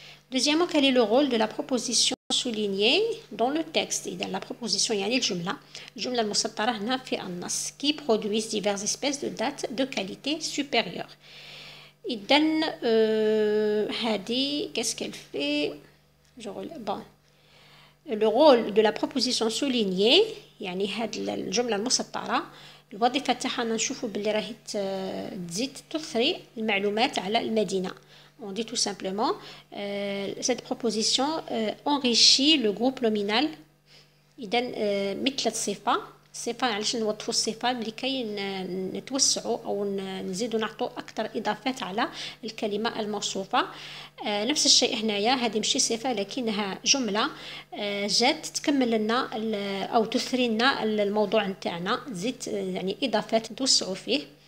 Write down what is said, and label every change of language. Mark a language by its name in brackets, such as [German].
[French] Deuxièmement, quel est le rôle de la proposition soulignée dans le texte et dans la proposition [Arabic] yani jumla, jumla musattara hna fi an-nas [French] qui produisent diverses espèces de dates de qualité supérieure. Et [Arabic] dan hadi, [French] qu'est-ce qu'elle fait? Bon. Le rôle de la proposition soulignée, [Arabic] yani had al-jumla musattara, الوظيفه تاعها نشوفوا باللي راهي تزيد تثري المعلومات على المدينه. [French] On dit tout simplement, cette proposition enrichit le groupe nominal. Il donne [Arabic] mitla tsifa, sifa علاش نوظفوا الصفه اللي كي نتوسعوا او نزيدوا نعطوا اكثر اضافات على الكلمه الموصوفه. نفس الشيء هنايا، هذه ماشي صفه لكنها جمله جات تكمل لنا او تثري لنا الموضوع نتاعنا، زيد يعني اضافات توسعوا فيه.